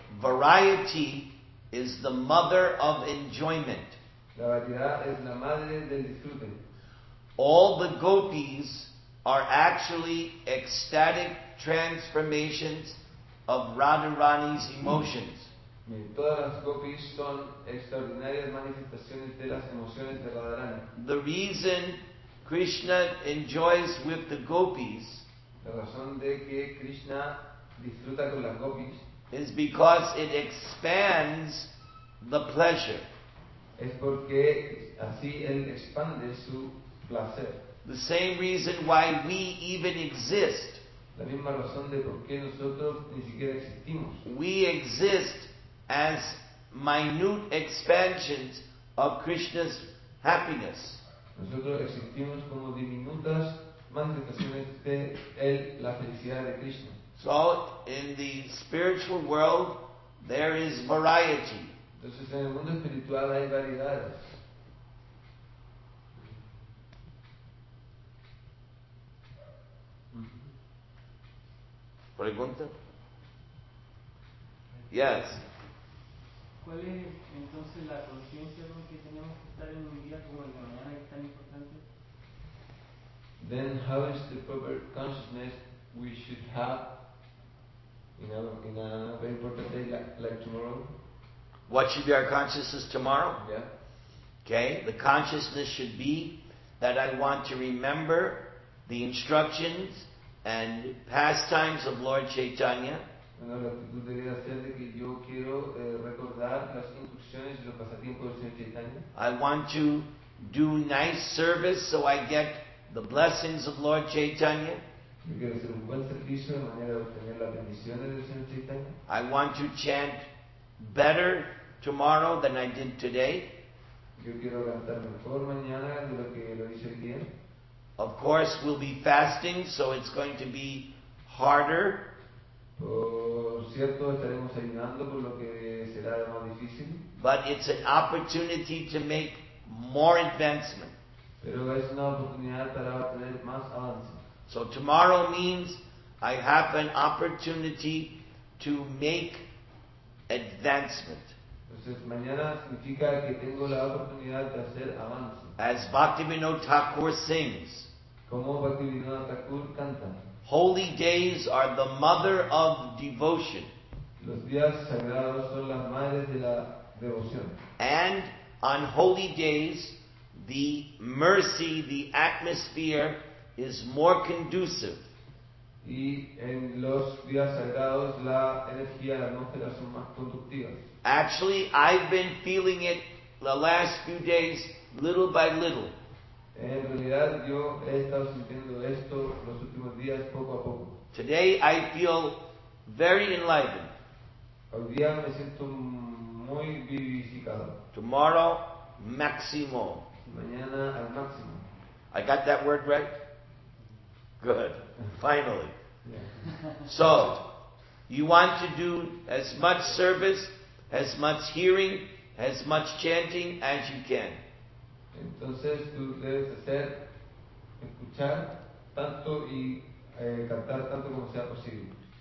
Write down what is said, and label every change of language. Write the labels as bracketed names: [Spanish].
[English] Variety is the mother of enjoyment. [Spanish] La variedad es la madre del disfrute. [English] All the gopis are actually ecstatic transformations of Radharani's emotions. [Spanish] Todas las gopis son extraordinarias manifestaciones de las emociones de Radharani. [English] The reason Krishna enjoys with the gopis, [Spanish] la razón de que Krishna disfruta con las gopis, [English] is because it expands the pleasure. [Spanish] Es porque así él expande su placer. [English] The same reason why we even exist. [Spanish] La misma razón de por qué nosotros ni siquiera existimos. [English] We exist as minute expansions of Krishna's happiness. [Spanish] Nosotros existimos como diminutas manifestaciones de él, la felicidad de Krishna. [English] So, in the spiritual world, there is variety. [Spanish] Entonces, en el mundo espiritual hay variedades. Pregunta. [English] Yes. [Spanish] ¿Cuál es entonces la conciencia con que tenemos que estar en un día como el de mañana que es tan importante? [English] Then how is the proper consciousness we should have in a very important day like tomorrow? What should be our consciousness tomorrow? Yeah. Okay. The consciousness should be that I want to remember the instructions and pastimes of Lord Chaitanya. [Spanish] Bueno, la actitud debería ser de que yo quiero recordar las instrucciones y los pasatiempos del Señor Chaitanya. [English] I want to do nice service so I get the blessings of Lord Chaitanya. [Spanish] Yo quiero hacer un buen servicio de manera de obtener las bendiciones del Señor Chaitanya. [English] I want to chant better tomorrow than I did today. [Spanish] Yo quiero levantarme mejor mañana de lo que lo hice ayer. [English] Of course, we'll be fasting, so it's going to be harder. [Spanish] Por cierto, estaremos ayunando, por lo que será más difícil. [English] But it's an opportunity to make more advancement. [Spanish] Pero es una oportunidad para tener más avance. [English] So tomorrow means I have an opportunity to make advancement. [Spanish] Entonces, mañana significa que tengo la oportunidad de hacer avance. [English] As Bhaktivinoda Thakur sings. [Spanish] Como Bhaktivinoda Thakur canta. [English] Holy days are the mother of devotion. [Spanish] Los días sagrados son las madres de la devoción. [English] And on holy days, the mercy, the atmosphere is more conducive. [Spanish] Y en los días sagrados, la energía, la atmósfera son más conductivas. [English] Actually, I've been feeling it the last few days, little by little. [Spanish] En realidad, yo he estado sintiendo esto los últimos días, poco a poco. [English] Today, I feel very enlightened. [Spanish] Hoy día me siento muy vivificado. [English] Tomorrow, máximo. [Spanish] Mañana, al máximo. [English] I got that word right? Good. Finally. So, you want to do as much service, as much hearing, as much chanting as you can. [Spanish] Entonces, tú debes hacer, escuchar tanto y cantar tanto como sea posible.